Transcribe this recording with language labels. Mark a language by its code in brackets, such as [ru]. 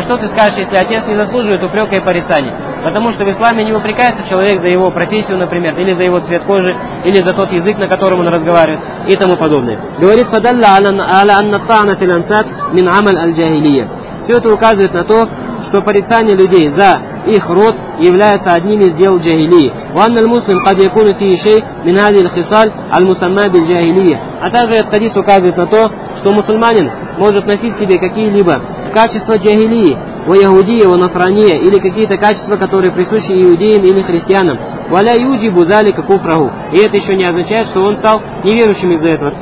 [ru] А что ты скажешь, если отец не заслуживает упрека и порицания? Потому что в исламе не упрекается человек за его профессию, например, или за его цвет кожи, или за тот язык, на котором он разговаривает, и тому подобное. Говорит: [ar] «Фадалла аля анна таана фил ансаб мин амаль аль-джахилия». [ru] Все это указывает на то, что порицание людей за их род является одним из дел джахилии. [ar] وأن المسلم قد يكون فيه شيء من هذه الخصال المسمى بالجاهلية. [ru] А также этот хадис указывает на то, что мусульманин может носить в себе какие-либо качества джахилии, во иудеи, во насрания, или какие-то качества, которые присущи иудеям или христианам. [ar] Валя юджибу залика куфраху. [ru] И это еще не означает, что он стал неверующим из-за этого.